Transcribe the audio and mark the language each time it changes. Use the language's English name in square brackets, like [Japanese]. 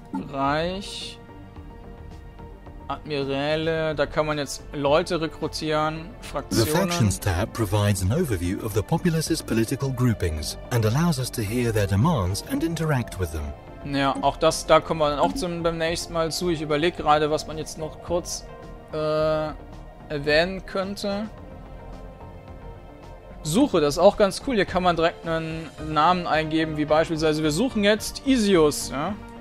[German] Reich Admiräle, da kann man jetzt Leute rekrutieren, Fraktionen. [English] The Factions tab provides an overview of the populace's political groupings and allows us to hear their demands and interact with them. [German] Ja, auch das, da kommen wir dann auch beim nächsten Mal zu. Ich überlege gerade, was man jetzt noch kurz erwähnen könnte. Suche, das ist auch ganz cool. Hier kann man direkt einen Namen eingeben, wie beispielsweise, wir suchen jetzt Isius. Ja?